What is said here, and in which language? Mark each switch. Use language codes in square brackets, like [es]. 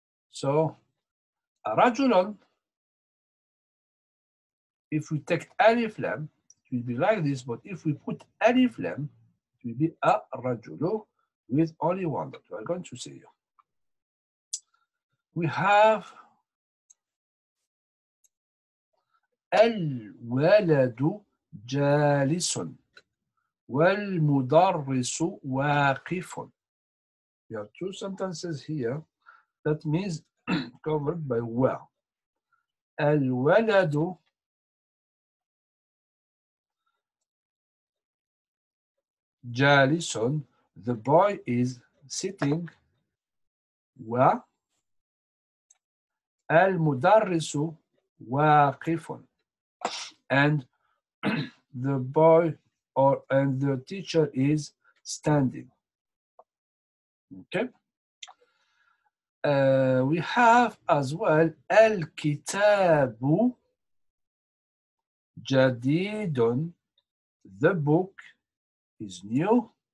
[en] So, rajulun, if we take alif lam, it will be like this, but if we put alif lam, it will be ar-rajulu with only one that we are going to see. We have [ar] الولد جالس والمدرس واقف. [en] There are two sentences here that means covered by where. [ar] الولد جالس, [en] the boy is sitting, [ar] والمدرس واقف. [en] And the boy or and the teacher is standing. Okay. We have as well [ar] al kitabu jadidun, [en] the book is new.